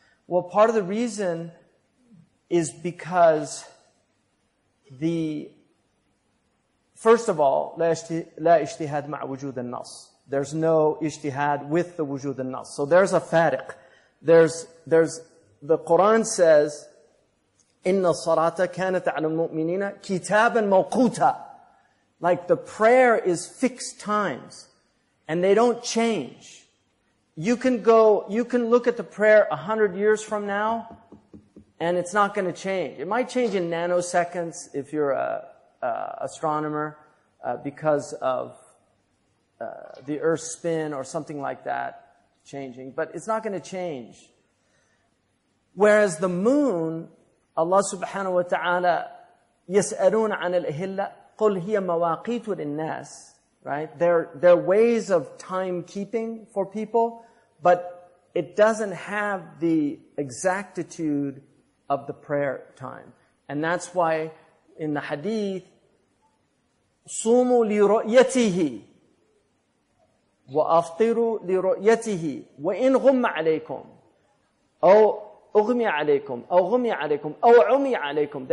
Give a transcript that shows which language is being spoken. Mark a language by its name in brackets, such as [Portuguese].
[English] Well, part of the reason is because the First of all, [Arabic] لا اجتهاد مع وجود النص. [English] There's no اجتهاد with the [Arabic] وجود النص. [English] So there's a فارق. There's the Quran says, [Arabic] إن الصلاة كانت على المؤمنين كتابا موقوتا. [English] Like the prayer is fixed times, and they don't change. You can go, you can look at the prayer 100 years from now, and it's not going to change. It might change in nanoseconds if you're an astronomer because of the Earth's spin or something like that changing. But it's not going to change. Whereas the moon, Allah subhanahu wa ta'ala, [Arabic] يسألون عن الأهلة قل هي مواقيت للناس, [English] right? They're ways of timekeeping for people, but it doesn't have the exactitude of the prayer time. And that's why in the hadith, [Arabic] صوموا لرؤيته وأفطروا لرؤيته وإن غم عليكم أو أغمي عليكم أو غمي عليكم أو عمي عليكم.